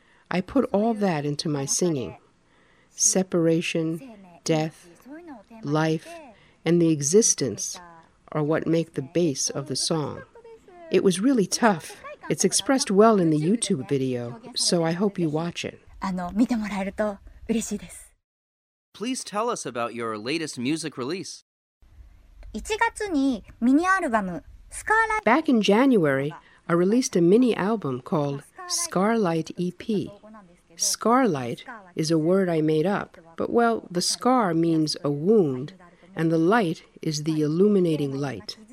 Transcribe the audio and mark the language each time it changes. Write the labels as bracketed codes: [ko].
[en] I put all that into my singing. Separation, death, life, and the existence are what make the base of the song. It was really tough. It's expressed well in the YouTube video, so I hope you watch it. [ja] 見てもらえると嬉しいです。 [en] Please tell us about your latest music release. [ja] 1月にミニアルバム [en] Back in January, I released a mini-album called Scarlight EP. Scarlight is a word I made up, but well, the scar means a wound, and the light is the illuminating light.